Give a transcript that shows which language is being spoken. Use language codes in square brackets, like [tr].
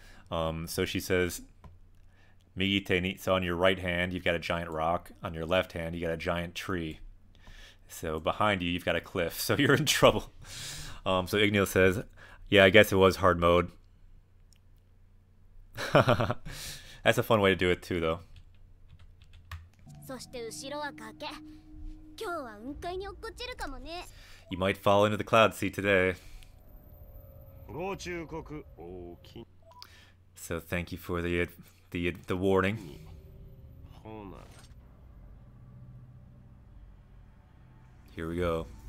[en] So she says, [ja] Migite ni, [en] so on your right hand you've got a giant rock, on your left hand you got a giant tree, so behind you you've got a cliff, so you're in trouble. So Igneal says, yeah, I guess it was hard mode. That's a fun way to do it too though. [ja] そして後ろは崖。今日は雲海に落っこちるかもね。 [en] You might fall into the cloud sea today. [ja] ご忠告、大きい。 [en] So thank you for the warning. [ja] ほな。 [en] Here we go.